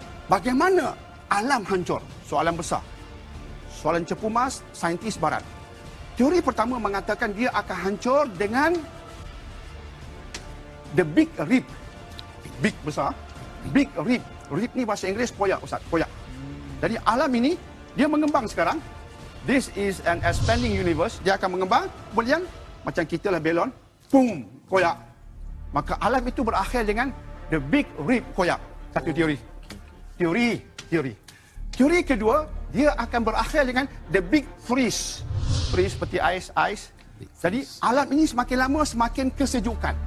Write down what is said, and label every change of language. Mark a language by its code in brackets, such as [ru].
[ms] Bagaimana alam hancur? Soalan besar. Soalan cepu mas saintis barat. Teori pertama mengatakan dia akan hancur dengan the big rip. Big besar. Big rip. Rip ni bahasa Inggeris koyak, Ustaz. Koyak. Jadi alam ini dia mengembang sekarang. [en] This is an expanding universe. [ms] Dia akan mengembang. Kemudian macam kita lah belon. Boom. Koyak. Maka alam itu berakhir dengan the big rip koyak. Satu teori. Teori. Teori kedua, dia akan berakhir dengan the big freeze. Freeze seperti ais. Jadi alam ini semakin lama semakin kesejukan.